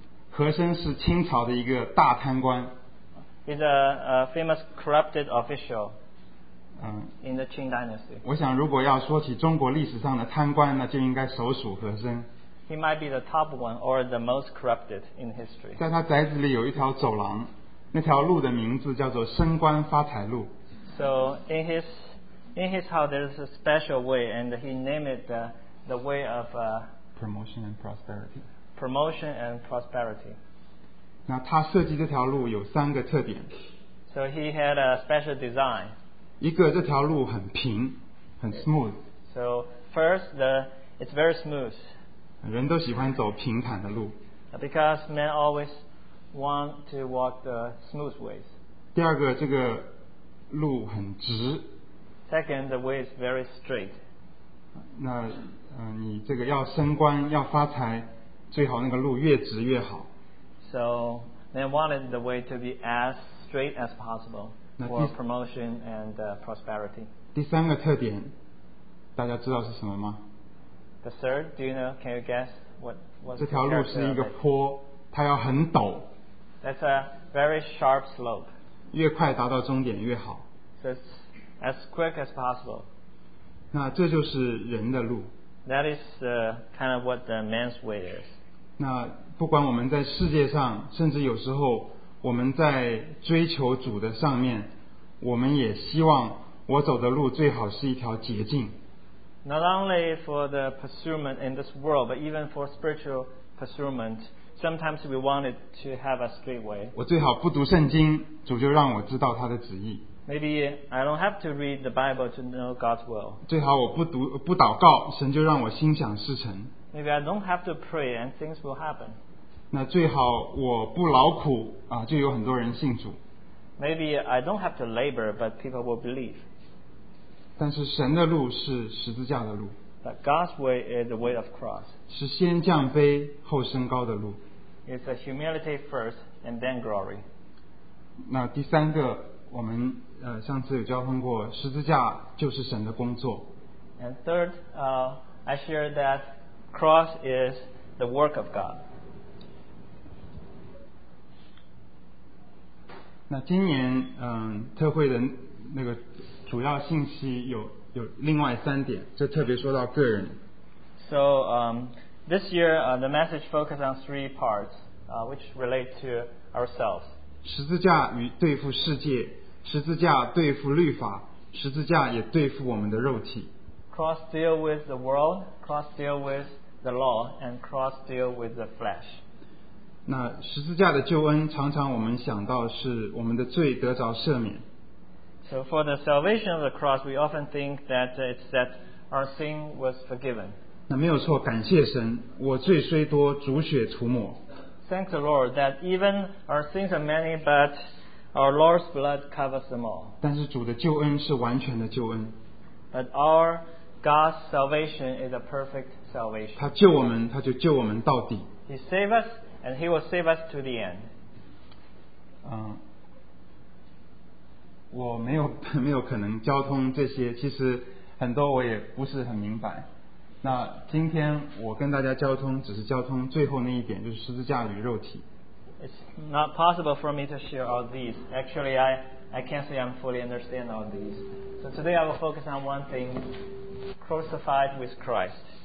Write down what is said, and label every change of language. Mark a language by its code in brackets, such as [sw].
[zh] 和珅是清朝的一个大贪官。 [en] He's a famous corrupted official in the Qing Dynasty. [zh] 我想如果要说起中国历史上的贪官，那就应该首属和珅。 [en] He might be the top one or the most corrupted in history. [zh] 在他宅子里有一条走廊，那条路的名字叫做升官发财路。 [en] So in his house there's a special way, and he named it the way of promotion and prosperity. Promotion and prosperity. [zh] 那他设计这条路有三个特点。 [en] So he had a special design. [zh] 一个，这条路很平，很 smooth. [en] So first, it's very smooth. [zh] 人都喜欢走平坦的路。 [en] Because men always want to walk the smooth ways. [zh] 第二个，这个路很直。 [en] Second, the way is very straight. [zh] 那你这个要升官，要发财，最好那个路越直越好。 [en] So they wanted the way to be as straight as possible for promotion and prosperity. [zh] 第三个特点，大家知道是什么吗？ [en] The third, do you know? Can you guess what was? [zh] 这条路是一个坡，它要很陡。 [en] That's a very sharp slope. [zh] 越快达到终点越好。 [en] So it's as quick as possible. [zh] 那这就是人的路。 [en] That is kind of what the man's way is. [zh] 那不管我们在世界上，甚至有时候我们在追求主的上面，我们也希望我走的路最好是一条捷径。 [en] Not only for the pursuit in this world, but even for spiritual pursuit, sometimes we wanted to have a straight way. [zh] 我最好不读圣经，主就让我知道他的旨意。 [en] Maybe I don't have to read the Bible to know God's will. [zh] 最好我不祷告，神就让我心想事成。 [en] Maybe I don't have to pray and things will happen. [zh] 那最好我不劳苦啊，就有很多人信主。 [en] Maybe I don't have to labor, but people will believe. [zh] 但是神的路是十字架的路。 [en] But God's way is the way of cross. [zh] 是先降卑后升高的路。 [en] It's a humility first and then glory. [zh] 那第三个，我们上次有交通过，十字架就是神的工作。 [en] And third, I share that cross is the work of God. [zh] 那今年特会的那个主要信息有另外三点，就特别说到个人。 [en] So this year the message focuses on three parts, which relate to ourselves. [zh] 十字架与对付世界。十字架对付律法，十字架也对付我们的肉体。 [en] Cross deal with the world, cross deal with the law, and cross deal with the flesh. [zh] 那十字架的救恩，常常我们想到是我们的罪得着赦免。 [en] So for the salvation of the cross, we often think that it's that our sin was forgiven. [zh] 那没有错，感谢神，我罪虽多，主血涂抹。 [en] Thank the Lord that even our sins are many, but Our Lord's blood covers them all. [zh] 但是主的救恩是完全的救恩。 [en] But our God's salvation is a perfect salvation. [zh] 他救我们，他就救我们到底。 [en] He saved us, and He will save us to the end. [zh] 我没有可能交通这些，其实很多我也不是很明白。那今天我跟大家交通，只是交通最后那一点，就是十字架与肉体。 [en] it's not possible for me to share all these. Actually, I can't say I'm fully understand all these. So today I will focus on one thing, crucified with Christ.